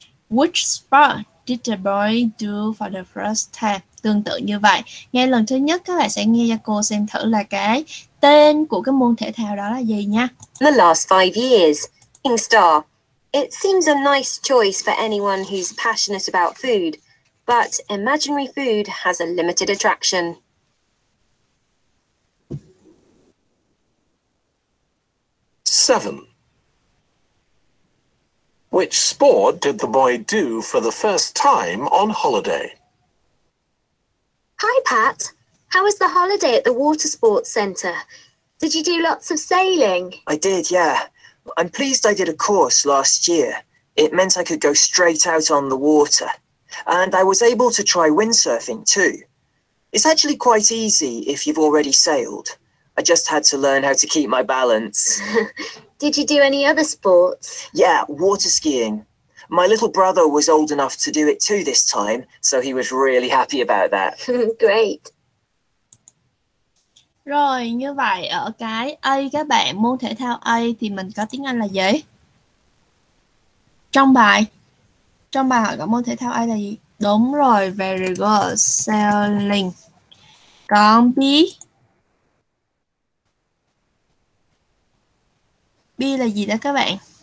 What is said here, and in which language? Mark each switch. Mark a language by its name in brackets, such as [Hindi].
[English] Which sport did the boy do for the first time? [Vietnamese] Tương tự như vậy. Nghe lần thứ nhất, các bạn sẽ nghe cho cô xem thử là cái tên của cái môn thể thao đó là gì nha. [English] The last 5 years. King Star. It seems a nice choice for anyone who's passionate about food, but imaginary food has a limited attraction. Seven. Which sport did the boy do for the first time on holiday? Hi, Pat. How was the holiday at the water sports center? Did you do lots of sailing? I did, yeah. I'm pleased I did a course last year. It meant I could go straight out on the water. And I was able to try windsurfing too. It's actually quite easy if you've already sailed. I just had to learn how to keep my balance. Did you do any other sports? Yeah, water skiing. My little brother was old enough to do it too this time, so he was really happy about that. Great. [Vietnamese] Rồi, như vậy ở cái A các bạn, môn thể thao A thì mình có tiếng Anh là gì? Trong bài hỏi có môn thể thao A là gì? Đúng rồi, [English] very good, [Vietnamese] sailing. Còn B là gì đó các bạn?